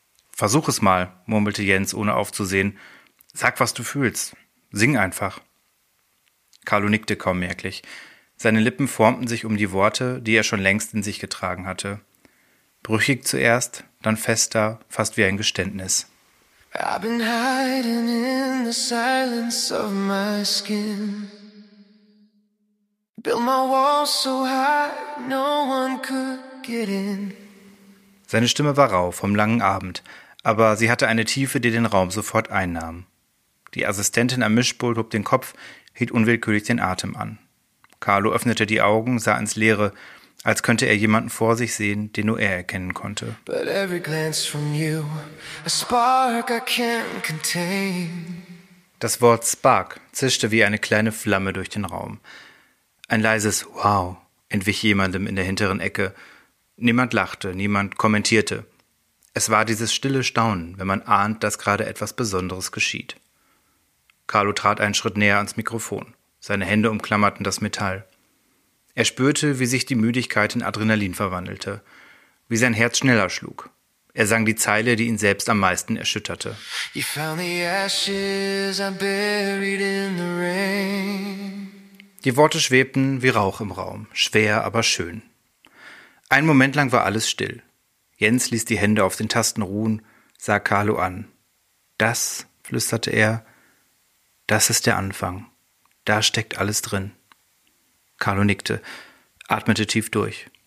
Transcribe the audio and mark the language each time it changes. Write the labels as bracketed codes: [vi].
[de] »Versuch es mal«, murmelte Jens, ohne aufzusehen. »Sag, was du fühlst. Sing einfach.« Carlo nickte kaum merklich. Seine Lippen formten sich um die Worte, die er schon längst in sich getragen hatte. Brüchig zuerst, dann fester, fast wie ein Geständnis. [en] I've been hiding in the silence of my skin. Built my walls so high, no one could get in. [de] Seine Stimme war rau vom langen Abend, aber sie hatte eine Tiefe, die den Raum sofort einnahm. Die Assistentin am Mischpult hob den Kopf, hielt unwillkürlich den Atem an. Carlo öffnete die Augen, sah ins Leere, als könnte er jemanden vor sich sehen, den nur er erkennen konnte. [en] But every glance from you, a spark I can't contain. [de] Das Wort Spark zischte wie eine kleine Flamme durch den Raum. Ein leises Wow entwich jemandem in der hinteren Ecke. Niemand lachte, niemand kommentierte. Es war dieses stille Staunen, wenn man ahnt, dass gerade etwas Besonderes geschieht. Carlo trat einen Schritt näher ans Mikrofon. Seine Hände umklammerten das Metall. Er spürte, wie sich die Müdigkeit in Adrenalin verwandelte, wie sein Herz schneller schlug. Er sang die Zeile, die ihn selbst am meisten erschütterte. [en] You found the ashes I buried in the rain. [de] Die Worte schwebten wie Rauch im Raum, schwer, aber schön. Ein Moment lang war alles still. Jens ließ die Hände auf den Tasten ruhen, sah Carlo an. Das, flüsterte er, das ist der Anfang. Da steckt alles drin. Carlo nickte, atmete tief durch.